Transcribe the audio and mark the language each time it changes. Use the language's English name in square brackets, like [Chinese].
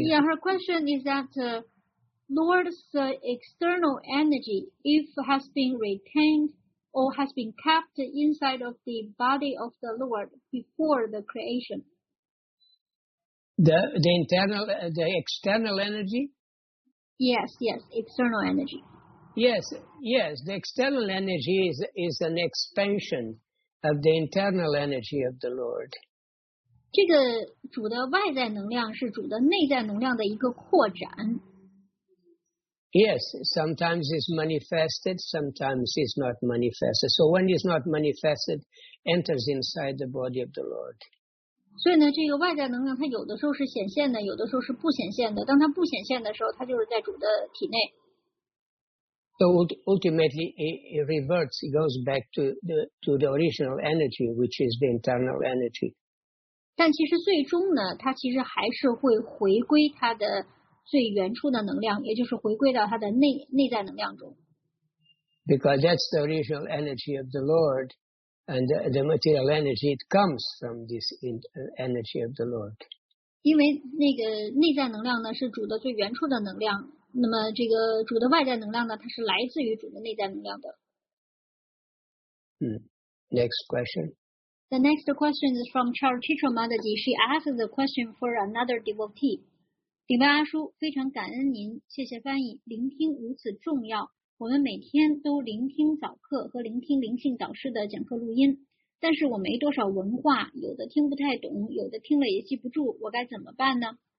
[English] Yeah, her question is that Lord's external energy, if has been retained or has been kept inside of the body of the Lord before the creation. The external energy? Yes, yes, external energy. Yes, yes, the external energy is an expansion. Of the internal energy of the Lord. [Chinese] 这个主的外在能量是主的内在能量的一个扩展。 [English] Yes, sometimes it's manifested, sometimes it's not manifested. So when it's not manifested, enters inside the body of the Lord. [Chinese] 所以呢，这个外在能量它有的时候是显现的，有的时候是不显现的。当它不显现的时候，它就是在主的体内。 [English] So ultimately, it reverts. It goes back to the original energy, which is the internal energy. [Chinese] 但其实最终呢，它其实还是会回归它的最原初的能量，也就是回归到它的内在能量中。 [English] Because that's the original energy of the Lord, and the material energy it comes from this energy of the Lord. [Chinese] 因为那个内在能量呢，是主的最原初的能量。那么这个主的外在能量呢，它是来自于主的内在能量的。 [English] Next question. The next question is from Charles Chitra Madhaji. She asks the question for another devotee. [Chinese] 顶拜阿叔，非常感恩您，谢谢翻译，聆听如此重要。我们每天都聆听早课和聆听灵性导师的讲课录音，但是我没多少文化，有的听不太懂，有的听了也记不住，我该怎么办呢？